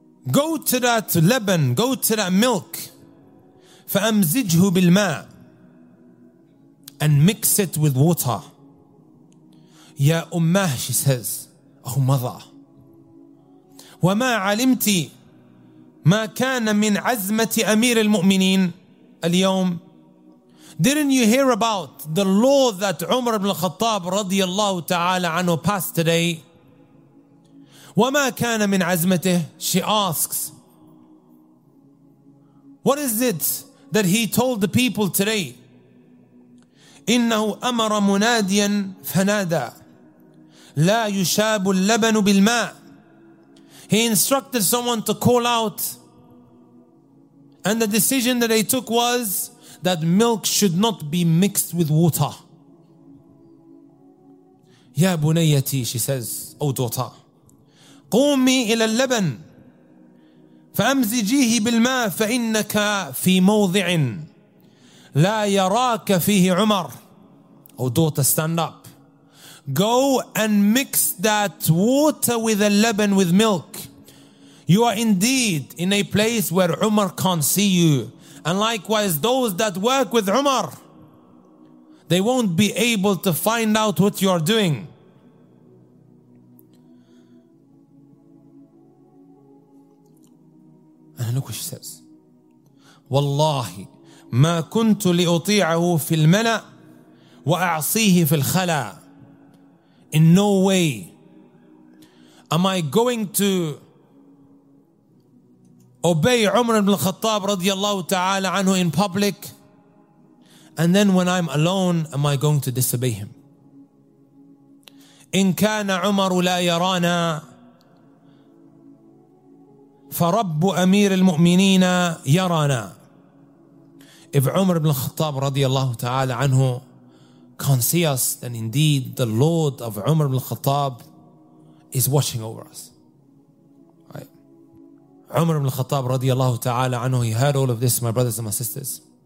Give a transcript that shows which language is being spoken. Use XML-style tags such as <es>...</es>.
<en>Go to that leban, go to that milk.</en> <ar>فأمزجه بالماء.</ar> <en>And mix it with water.</en> <ar>يا أمه,</ar> <en>she says, oh mother.</en> <ar>وما علمت ما كان من عزمة أمير المؤمنين اليوم.</ar> <en>Didn't you hear about the law that Umar ibn al-Khattab radiallahu ta'ala anhu passed today?</en> <ar>وَمَا كَانَ مِنْ عَزْمَتِهِ,</ar> <en>she asks. What is it that he told the people today?</en> <ar>إِنَّهُ أَمَرَ مُنَادِيًا فَنَادَى لَا يُشَابُ اللَّبَنُ بِالْمَاءِ.</ar> <en>He instructed someone to call out. And the decision that they took was that milk should not be mixed with water.</en> <ar>يَا بُنَيَّتِي,</ar> <en>she says, O daughter.</en> <ar>قومي إلى اللبن فأمزجيه بالماء فإنك في موضع لا يراك فيه عمر.</ar> <en>Oh daughter, stand up. Go and mix that water with the leban, with milk. You are indeed in a place where Umar can't see you. And likewise, those that work with Umar, they won't be able to find out what you are doing. And look what she says.</en> <ar>والله ما كنت لأطيعه في الملأ وأعصيه في الخلاء.</ar> <en>In no way am I going to obey Umar ibn al-Khattab radiallahu ta'ala anhu in public, and then when I'm alone, am I going to disobey him?</en> <ar>إن كان عمر لا يرانا فرب أمير المؤمنين يرانا.</ar> <en>If Umar ibn al-Khattab radiallahu ta'ala anhu can't see us, then indeed the Lord of Umar ibn al-Khattab is watching over us. Right. Umar ibn al-Khattab radiallahu ta'ala anhu, he heard all of this, my brothers and my sisters.</en>